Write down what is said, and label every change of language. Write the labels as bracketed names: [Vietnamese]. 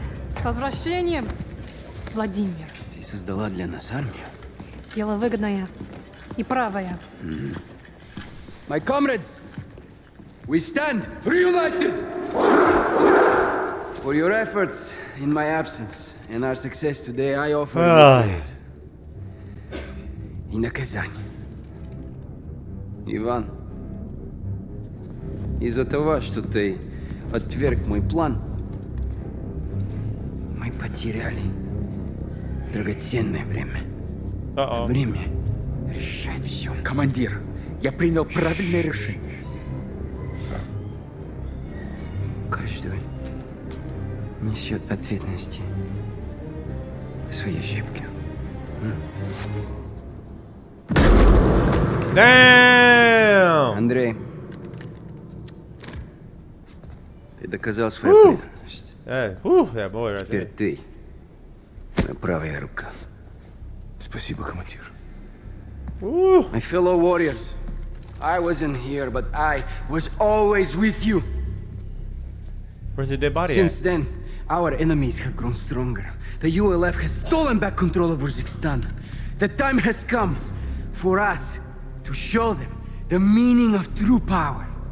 [Russian] С возвращением, Владимир. Ты создала для нас армию? Дело выгодное и правое. [English] My comrades, we stand reunited for your efforts in my absence and our success today. I offer you [Russian] и наказание. Иван, из-за того, что ты отверг мой план, мы потеряли драгоценное время. [English] Uh-oh. [Russian] Время решать все. Командир, я принял правильное решение. Каждый несет ответственность за свои ошибки. [English] Damn! [Russian] Андрей, ты доказал свою преданность. Теперь ты моя правая рука. Спасибо, командир. [English] My fellow warriors, I wasn't here, but I was always with you. Where's the dead body? Since then, our enemies have grown stronger. The ULF has stolen back control of Uzbekistan. The time has come for us to show them the meaning of true power.